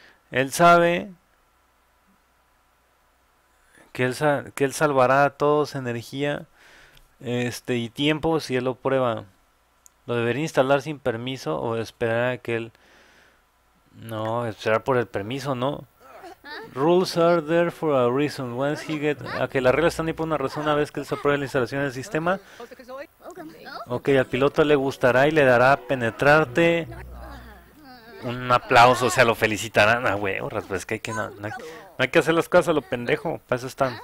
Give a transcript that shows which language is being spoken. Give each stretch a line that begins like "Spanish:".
Spanish: Él sabe que él salvará a todos energía, y tiempo si él lo prueba. Lo debería instalar sin permiso o esperar a que él. No, esperar por el permiso, ¿no?
English: Rules are there for a reason. Once he get.
Spanish: Ok, las reglas están ahí por una razón. Una vez que él se apruebe la instalación del sistema. Ok, al piloto le gustará y le dará penetrarte un aplauso, o sea, lo felicitarán. Ah, wey, horas, pues que hay que. No hay que hacer las cosas a lo pendejo. Para eso están.